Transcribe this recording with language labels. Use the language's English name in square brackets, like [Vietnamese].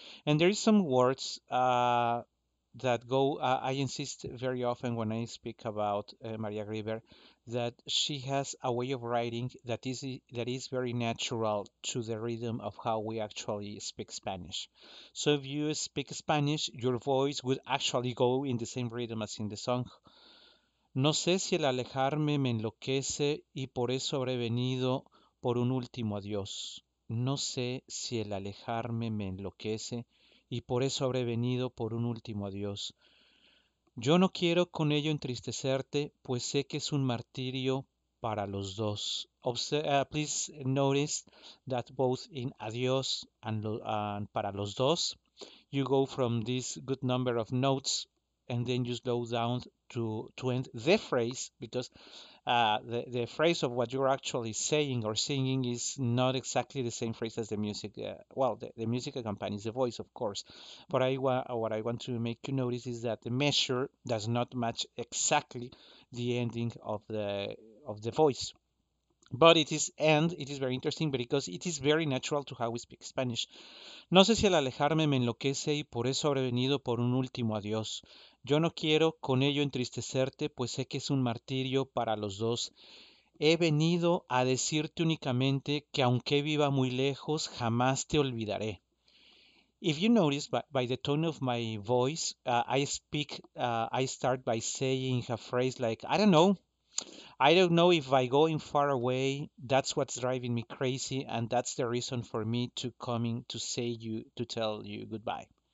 [English] And there is some words that go, I insist very often when I speak about Maria Grieber, that she has a way of writing that is very natural to the rhythm of how we actually speak Spanish. So if you speak Spanish, your voice would actually go in the same rhythm as in the song. [Spanish] No sé si el alejarme me enloquece y por eso habré venido por un último adiós. No sé si el alejarme me enloquece y por eso habré venido por un último adiós. Yo no quiero con ello entristecerte, pues sé que es un martirio para los dos. [English] Please notice that both in adiós and [Spanish] para los dos, [English] you go from this good number of notes and then you slow down to end the phrase, because the phrase of what you're actually saying or singing is not exactly the same phrase as the music. Well, the music accompanies the voice, of course. But what I want to make you notice is that the measure does not match exactly the ending of the voice. But it is, and it is very interesting because it is very natural to how we speak Spanish. [Spanish] No sé si al alejarme me enloquece y por eso habré venido por un último adiós. Yo no quiero con ello entristecerte, pues sé que es un martirio para los dos. He venido a decirte únicamente que aunque viva muy lejos, jamás te olvidaré. [English] If you notice by the tone of my voice, I start by saying a phrase like, I don't know. I don't know if by going far away, that's what's driving me crazy, and that's the reason for me to coming to say you, to tell you goodbye.